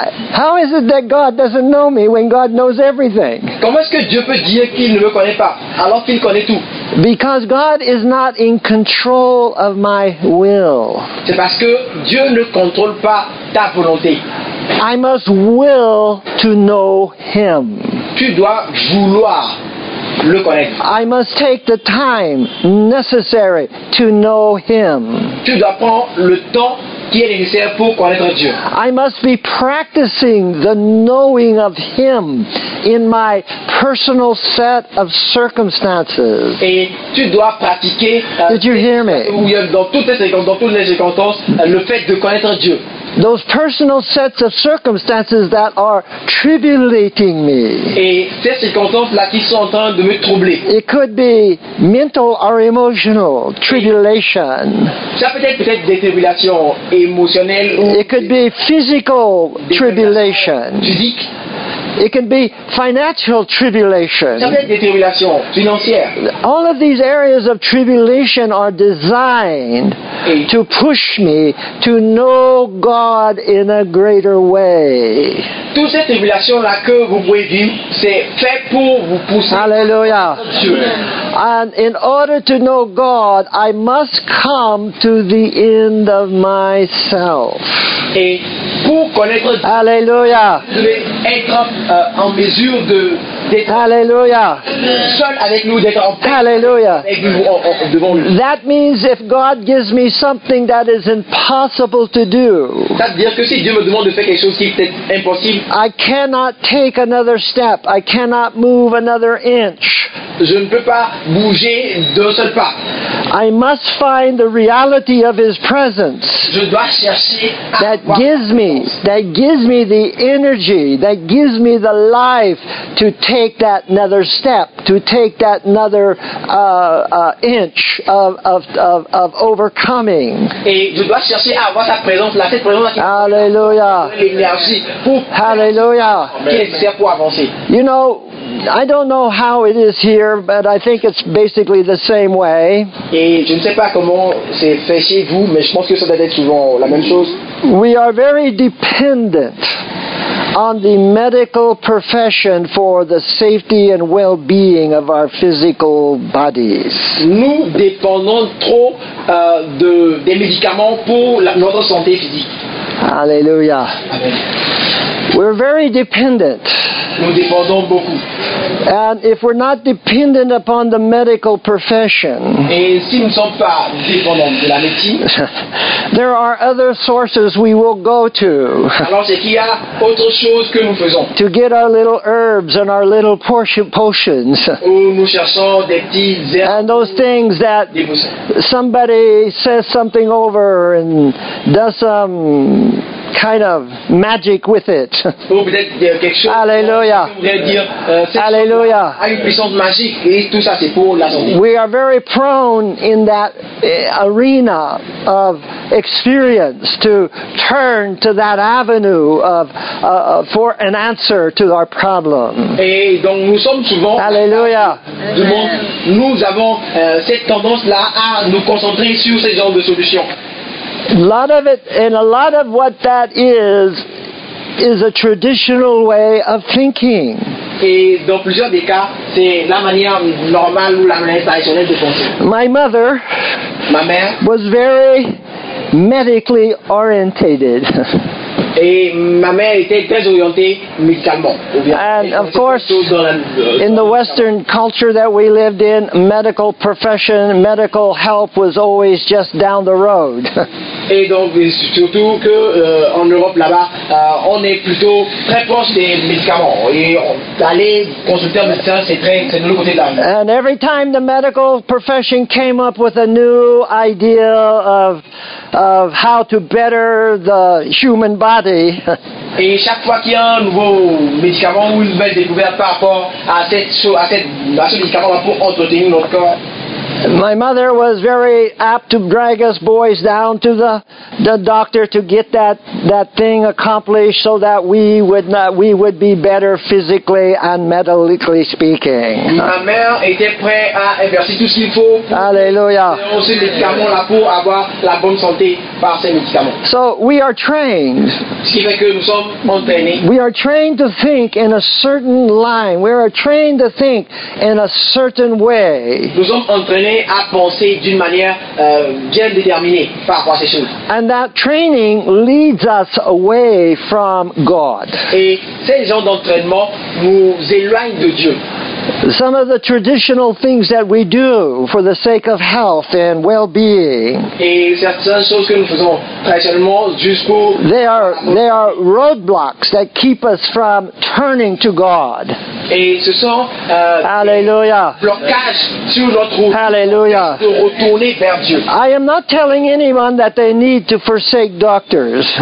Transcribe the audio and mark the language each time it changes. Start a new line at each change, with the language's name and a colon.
English: How is it that God doesn't know me when God knows everything?
French: Comment est-ce que Dieu peut dire qu'il ne me connaît pas alors qu'il connaît tout?
English: Because God is not in control of my will.
French: C'est parce que Dieu ne contrôle pas ta volonté.
English: I must will to know him.
French: Tu dois vouloir le connaître.
English: I must take the time necessary to know him.
French: Tu dois prendre le temps qui est nécessaire pour connaître Dieu.
English: I must be practicing the knowing of him in my personal set of circumstances.
French: Et tu dois pratiquer dans toutes les circonstances le fait de connaître Dieu.
English: Those personal sets of circumstances that are tribulating me.
French: Et ces circonstances-là qui sont en train de me troubler.
English: It could be mental or emotional tribulation.
French: Ça peut être des tribulations émotionnelles ou.
English: It could be physical tribulation.
French: Physique.
English: It can be financial tribulation.
French: Ça peut être des tribulations financières.
English: All of these areas of tribulation are designed to push me to know God in a greater way.
French: Toutes ces tribulations là que vous pouvez vivre, c'est fait pour vous pousser. Alléluia.
English: And in order to know God, I must come to the end of myself.
French: Et pour connaître. Alléluia. Vous devez être en mesure de d'être. Alléluia. Seul avec nous, d'être en paix. Alléluia. Avec nous, devant lui.
English: That means if God gives me something that is impossible to do.
French: Ça veut dire que si Dieu me demande de faire quelque chose qui est impossible.
English: I cannot take another step. I cannot move another inch.
French: Je ne peux pas bouger d'un seul pas.
English: I must find the reality of his presence.
French: Je dois chercher
English: that gives me the energy, that gives me the life to take that another step, to take that another inch of overcoming.
French: Et je dois chercher à avoir sa présence là, cette présence là. Alléluia. L'énergie pour. Alléluia. Pour avancer.
English: You know, I don't know how it is here, but I think it's basically the same way.
French: Et je ne sais pas comment c'est fait chez vous, mais je pense que ça doit être souvent la même chose.
English: We are very dependent on the medical profession for the safety and well-being of our physical bodies.
French: Nous dépendons trop des médicaments pour notre santé physique. Alléluia. Amen.
English: We're very dependent.
French: Nous dépendons beaucoup.
English: And if we're not dependent upon the medical profession,
French: et si nous ne sommes pas dépendants de la médecine,
English: there are other sources we will go to.
French: Alors c'est qu'il y a autre chose que nous faisons.
English: To get our little herbs and our little potions.
French: Où nous cherchons des petites herbes.
English: And those things that somebody says something over and does some kind of magic with it. Hallelujah. Hallelujah. We are very prone in that arena of experience to turn to that avenue of for an answer to our problem. Hallelujah.
French: Nous avons cette tendance là à nous concentrer sur ce genre de solution.
English: A lot of it, and a lot of what that is a traditional way of thinking.
French: Et dans plusieurs des cas, c'est la manière normale ou la manière traditionnelle de penser.
English: My mother,
French: ma mère,
English: was very medically orientated.
French: Et ma mère était très orientée médicalement.
English: And of course, in the Western culture that we lived in, medical profession, medical help was always just down the road.
French: Et donc, surtout que en Europe là-bas, on est plutôt très proche des médicaments. Et aller consulter un médecin, c'est de l'autre côté de la rue.
English: And every time the medical profession came up with a new idea of how to better the human body.
French: Et chaque fois qu'il y a un nouveau médicament ou une nouvelle découverte par rapport à ce médicament pour entretenir notre corps.
English: My mother was very apt to drag us boys down to the doctor to get that thing accomplished so that we would be better physically and medically speaking.
French: Ma mère était prête à inverser tout ce qu'il faut. Alléluia. Pour ces médicaments là pour avoir la bonne santé par ces médicaments.
English: So we are trained.
French: Ce qui fait que nous sommes entraînés.
English: We are trained to think in a certain line. We are trained to think in a certain way.
French: Nous sommes entraînés à penser d'une manière bien déterminée par rapport à ces choses.
English: And that training leads us away from God.
French: Et ces genres d'entraînement nous éloignent de Dieu.
English: Some of the traditional things that we do for the sake of health and well-being.
French: Et certaines choses que nous faisons traditionnellement juste pour.
English: They are roadblocks that keep us from turning to God.
French: Et ce sont
English: hallelujah.
French: Blocages sur notre route.
English: Hallelujah.
French: De retourner vers Dieu.
English: I am not telling anyone that they need to forsake doctors.